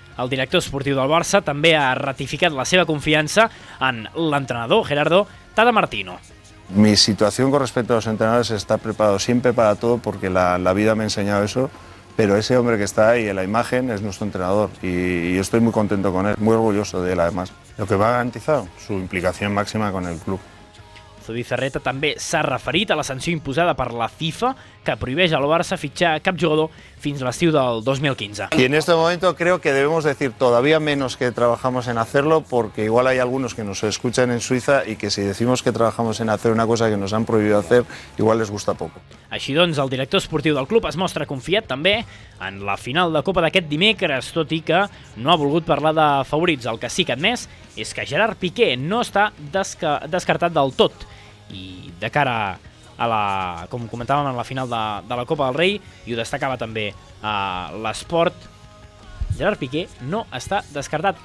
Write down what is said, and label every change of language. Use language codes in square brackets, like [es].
[ca] El director esportiu del Barça també ha ratificat la seva confiança en l'entrenador Gerardo Tata Martino. [es] Mi situación con respecto a los entrenadores está preparado siempre para todo porque la vida me ha enseñado eso, pero ese hombre que está ahí en la imagen es nuestro entrenador y estoy muy contento con él, muy orgulloso de él además. Lo que va a garantizar su implicación máxima con el club. [ca] Zubizarreta també s'ha referit a la sanció imposada per la FIFA que prohibeix al Barça fitxar cap jugador fins l'estiu del 2015. [es] Y en este momento creo que debemos decir todavía menos que trabajamos en hacerlo porque igual hay algunos que nos escuchan en Suiza y que si decimos que trabajamos en hacer una cosa que nos han prohibido hacer igual les gusta poco. [ca] Així doncs, el director esportiu del club es mostra confiat també en la final de Copa d'aquest dimecres, tot i que no ha volgut parlar de favorits. El que sí que admet és que Gerard Piqué no està descartat del tot i de cara a la, com comentàvem, en la final de la Copa del Rei, i ho destacava també l'esport, Gerard Piqué no està descartat.